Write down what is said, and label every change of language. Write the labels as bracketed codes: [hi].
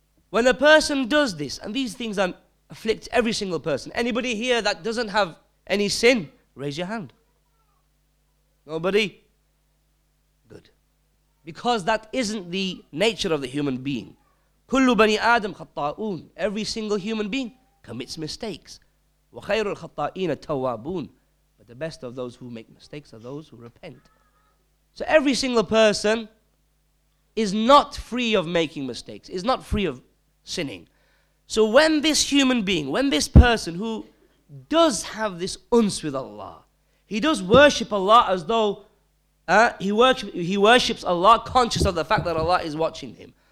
[en] When a person does this, and these things afflict every single person, anybody here that doesn't have any sin, raise your hand. Nobody? Good. Because that isn't the nature of the human being. [ar] كل بني آدم خطاؤون. [en] Every single human being commits mistakes. [ar] وخير الخطائين التوابون. [en] But the best of those who make mistakes are those who repent. So every single person is not free of making mistakes, is not free of sinning. So when this human being, when this person who does have this uns with Allah, he does worship Allah as though he worships Allah conscious of the fact that Allah is watching him.